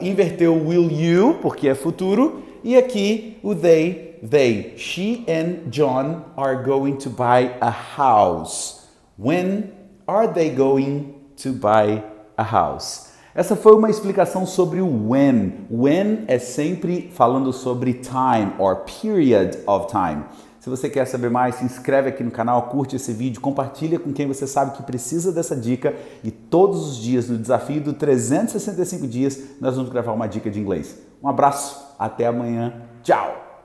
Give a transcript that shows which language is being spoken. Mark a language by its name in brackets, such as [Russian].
[Portuguese] Inverteu will you, porque é futuro, e aqui o they. [English] She and John are going to buy a house. When are they going to buy a house? [Portuguese] Essa foi uma explicação sobre o when. When é sempre falando sobre [English] time or period of time. [Portuguese] Se você quer saber mais, se inscreve aqui no canal, curte esse vídeo, compartilha com quem você sabe que precisa dessa dica e todos os dias no desafio do 365 dias nós vamos gravar uma dica de inglês. Um abraço, até amanhã. Tchau.